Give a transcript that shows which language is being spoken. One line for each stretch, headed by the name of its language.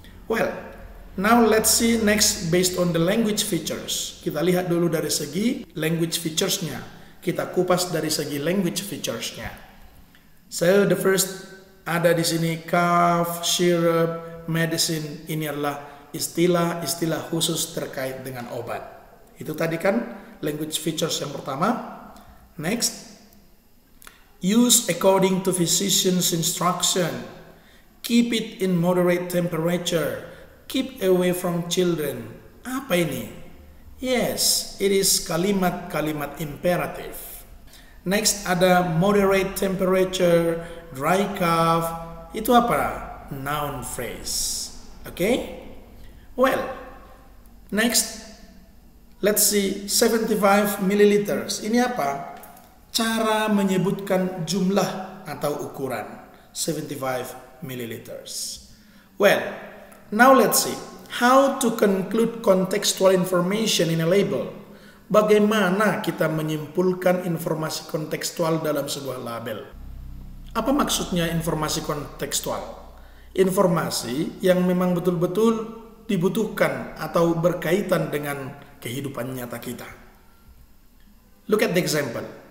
English: Well, now let's see next based on the language features.
Indonesian: Kita lihat dulu dari segi language features-nya. Kita kupas dari segi language features-nya.
English: So, the first
Indonesian: ada di sini,
English: cough, syrup, medicine.
Indonesian: Ini adalah istilah-istilah khusus terkait dengan obat. Itu tadi kan language features yang pertama.
English: Next, use according to physician's instruction. Keep it in moderate temperature. Keep away from children.
Indonesian: Apa ini?
English: Yes, it is kalimat-kalimat imperative. Next, ada moderate temperature, dry cough.
Indonesian: Itu apa?
English: Noun phrase. Okay? Well, next, let's see 75 milliliters.
Indonesian: Ini apa? Cara menyebutkan jumlah atau ukuran.
English: 75 milliliters. Well, now let's see how to conclude contextual information in a label.
Indonesian: Bagaimana kita menyimpulkan informasi kontekstual dalam sebuah label? Apa maksudnya informasi kontekstual? Informasi yang memang betul-betul dibutuhkan atau berkaitan dengan kehidupan nyata kita.
English: Look at the example.